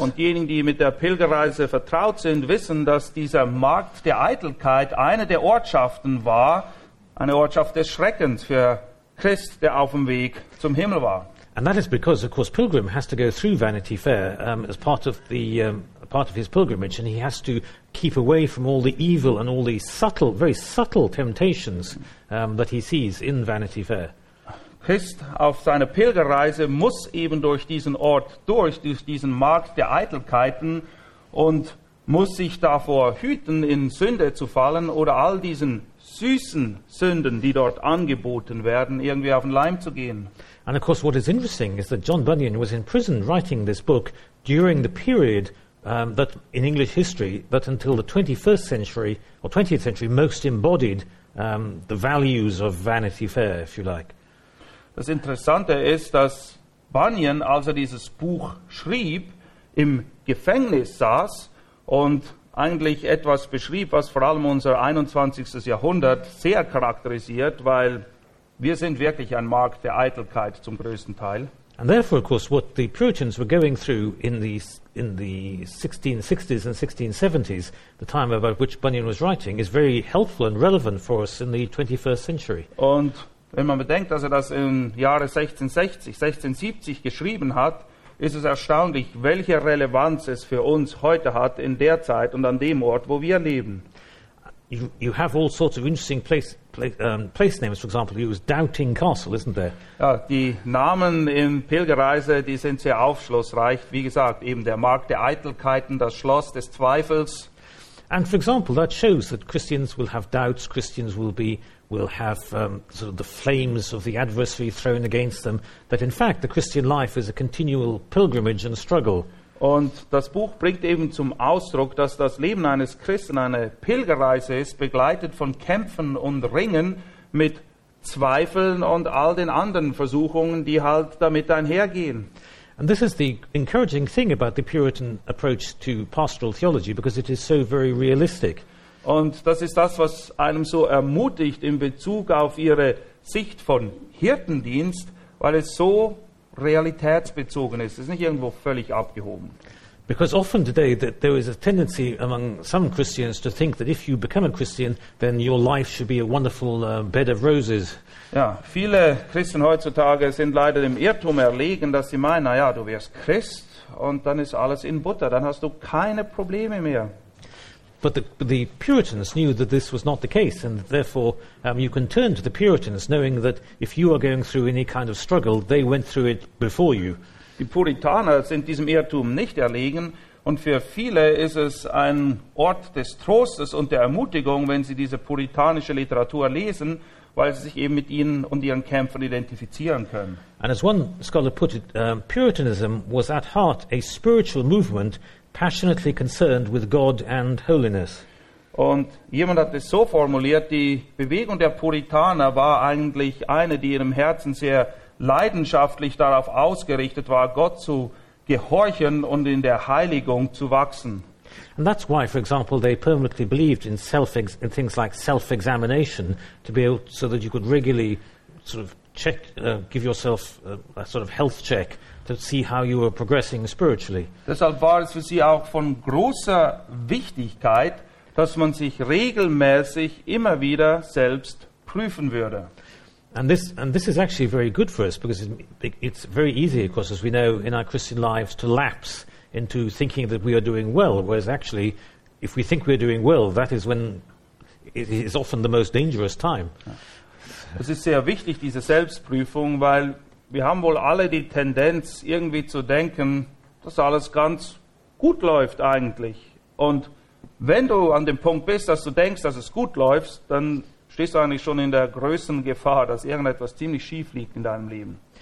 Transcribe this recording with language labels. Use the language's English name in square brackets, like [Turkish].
[German] Und diejenigen, die mit der Pilgerreise vertraut sind, wissen, dass dieser Markt der Eitelkeit eine der Ortschaften war, eine Ortschaft des Schreckens für Christ, der auf dem Weg zum Himmel war. [English] And that is because, of course, Pilgrim has to go through Vanity Fair as part of his pilgrimage, and he has to keep away from all the evil and all the subtle, very subtle temptations that he sees in Vanity Fair. [German] Christ auf seiner Pilgerreise muss eben durch diesen Ort durch diesen Markt der Eitelkeiten und muss sich davor hüten, in Sünde zu fallen oder all diesen süßen Sünden, die dort angeboten werden, irgendwie auf den Leim zu gehen. [English] And of course what is interesting is that John Bunyan was in prison writing this book during the period that in English history that until the 21st century or 20th century most embodied the values of Vanity Fair, if you like. [German] Das Interessante ist, dass Bunyan, als er dieses Buch schrieb, im Gefängnis saß und eigentlich etwas beschrieb, was vor allem unser 21. Jahrhundert sehr charakterisiert, weil wir sind wirklich ein Markt der Eitelkeit zum größten Teil. [English] And therefore, of course, what the Puritans were going through in the 1660s and 1670s, the time about which Bunyan was writing, is very helpful and relevant for us in the 21st century. [German] Und wenn man bedenkt, dass er das im Jahre 1660, 1670 geschrieben hat, ist es erstaunlich, welche Relevanz es für uns heute hat in der Zeit und an dem Ort, wo wir leben. [English] You have all sorts of interesting place names, for example, you use Doubting Castle, isn't there? [German] Ja, die Namen in Pilgerreise, die sind sehr aufschlussreich. Wie gesagt, eben der Markt der Eitelkeiten, das Schloss des Zweifels. [English] And for example, that shows that Christians will have doubts, Christians will have sort of the flames of the adversary thrown against them, that in fact the Christian life is a continual pilgrimage and struggle. [German] Und das Buch bringt eben zum Ausdruck, dass das Leben eines Christen eine Pilgerreise ist, begleitet von Kämpfen und Ringen mit Zweifeln und all den anderen Versuchungen, die halt damit einhergehen. [English] And this is the encouraging thing about the Puritan approach to pastoral theology, because it is so very realistic. [German] Und das ist das, was einem so ermutigt in Bezug auf ihre Sicht von Hirtendienst, weil es so realitätsbezogen ist. Es ist nicht irgendwo völlig abgehoben. [English] Because often today that there is a tendency among some Christians to think that if you become a Christian, then your life should be a wonderful bed of roses. [German] Ja, viele Christen heutzutage sind leider dem Irrtum erlegen, dass sie meinen, naja, du wirst Christ und dann ist alles in Butter, dann hast du keine Probleme mehr. [English] But the Puritans knew that this was not the case, and therefore you can turn to the Puritans knowing that if you are going through any kind of struggle, they went through it before you. [German] Die Puritaner sind diesem Irrtum nicht erlegen, und für viele ist es ein Ort des Trostes und der Ermutigung, wenn sie diese puritanische Literatur lesen, weil sie sich eben mit ihnen und ihren Kämpfen identifizieren können. [English] And as one scholar put it, Puritanism was at heart a spiritual movement passionately concerned with God and holiness. [German] Und jemand hat es so formuliert, die Bewegung der Puritaner war eigentlich eine, die ihrem Herzen sehr leidenschaftlich darauf ausgerichtet war, Gott zu gehorchen und in der Heiligung zu wachsen. [English] And that's why, for example, they permanently believed in things like self-examination, to be able so that you could regularly sort of check, give yourself a sort of health check to see how you were progressing spiritually. [German] Deshalb war es für sie auch von großer Wichtigkeit, dass man sich regelmäßig immer wieder selbst prüfen würde. [English] And this is actually very good for us, because it's very easy, of course, as we know, in our Christian lives to lapse into thinking that we are doing well, whereas actually, if we think we are doing well, that is when it is often the most dangerous time. [German] Es ist sehr wichtig, diese Selbstprüfung, weil wir haben wohl alle die Tendenz, irgendwie zu denken, dass alles ganz gut läuft eigentlich. Und wenn du an dem Punkt bist, dass du denkst, dass es gut läuft, dann stehst du eigentlich schon in der größten Gefahr, dass irgendetwas ziemlich schief liegt in deinem Leben.